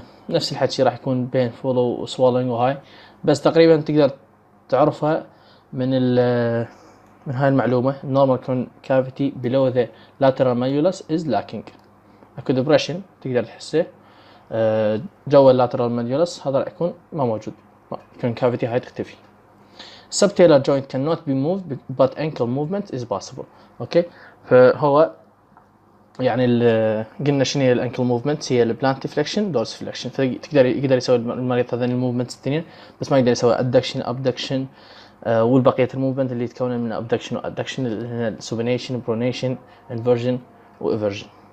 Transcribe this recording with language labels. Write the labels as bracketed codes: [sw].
[ar] نفس الحكي راح يكون بين فولو وسوالينج وهاي، بس تقريبا تقدر تعرفها من هاي المعلومه، [en] Normal cavity below the lateral malleolus is lacking. [ar] اكو ديبريشن تقدر تحسه، جوا اللاترال مانيولس هذا راح يكون ما موجود، يكون كافيتي هاي تختفي. [en] Subtalar joint cannot be moved but ankle movement is possible. [ar] اوكي فهو يعني قلنا شنو هي الانكل موفمنت، هي البلانت فليكشن دورس فليكشن. فتقدر يقدر يسوي المريض هذين الموفمنت الاثنين، بس ما يقدر يسوي ادكشن ابدكشن والبقيه الموفمنت اللي تكون من ابدكشن وادكشن، هنا السوبنيشن برونيشن انفرجن وافرجن.